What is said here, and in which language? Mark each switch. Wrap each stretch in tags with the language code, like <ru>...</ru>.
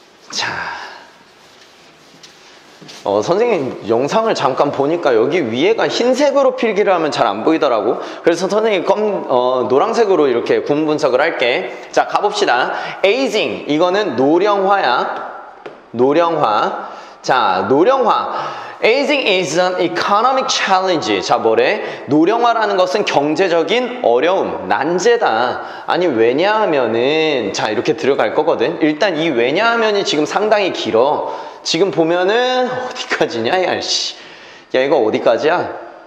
<ko>자, 선생님 영상을 잠깐 보니까 여기 위에가 흰색으로 필기를 하면 잘안 보이더라고. 그래서 선생님 노란색으로 이렇게 구문 분석을 할게. 자, 가봅시다. aging 이거는 노령화야. 노령화. 자, 노령화.</ko> <en>aging is an economic challenge.</en> <ko>자, 뭐래? 노령화라는 것은 경제적인 어려움, 난제다. 아니, 왜냐하면은, 자, 이렇게 들어갈 거거든. 일단 이 왜냐하면이 지금 상당히 길어. 지금 보면은 어디까지냐, 야, 씨. 야, 이거 어디까지야?</ko>